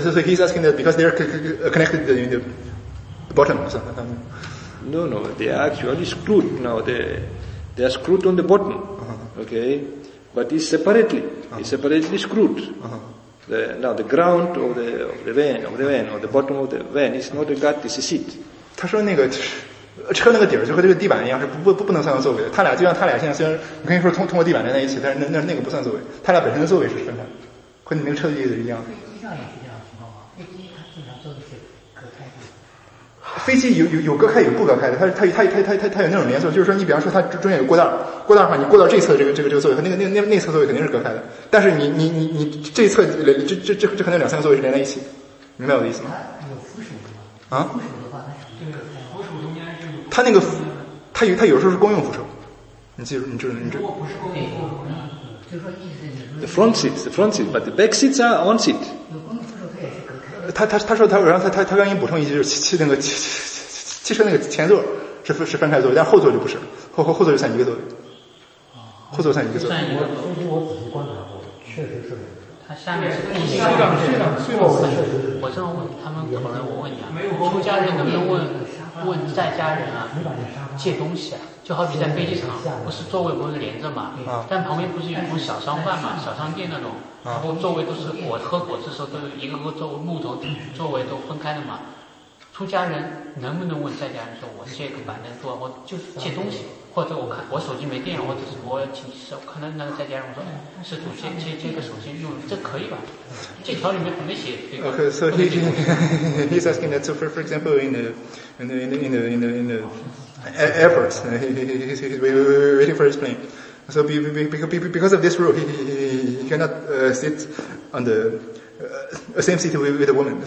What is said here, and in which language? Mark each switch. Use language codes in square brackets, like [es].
[en] So he's asking that because they are connected in the bottom or something. No, they are actually screwed now. They are screwed on the bottom, okay? But it's separately. Uh-huh. It's separately screwed. Uh-huh. The ground of the van, or the bottom of the van is not a gut, it's a seat. [zh] 他说那个车那个底儿就和这个地板一样，是不能算作座位的。他俩就像他俩现在虽然你可以说通过地板连在一起，但是那个不算座位。他俩本身的座位是分开，和你那个车的意思一样。飞机有隔开，有不隔开的。它有那种连锁，就是说，你比方说，它中间有过道，过道的话，你过道这侧的这个座位和那侧座位肯定是隔开的。但是你这侧这可能两三个座位是连在一起，明白我的意思吗？有扶手的吗？啊？扶手的话，那是对扶手中间是有。它有时候是公用扶手，你记住。如果不是公用扶手，就说意思就是。 [en] The front seat, but the back seats are on seat. [zh] 有公用扶手。他说他，然后他刚刚补充一句，就是汽车那个前座是分开座位，但后座就不是，后座就算一个座位，后座算一个座位。我仔细观察过，确实是，他下面是地上，我这样问他们，可能我问你啊，没有出家人能不能问在家人啊，借东西啊？就好比在飞机场，不是座位不是连着嘛，但旁边不是有那种小商贩嘛，小商店那种。然后座位都是我喝果汁的时候都是一个个座位木头座位都分开的嘛，出家人能不能问在家人说我借个板凳坐，我就是借东西，或者我看我手机没电，或者是我请可能那个在家人我说施主借个手机用，这可以吧？这条里面还没写这个。 [en] Okay, so he's asking that, so for example in the airport, he's waiting for his plane. So because of this rule, he cannot sit on the same seat with a woman.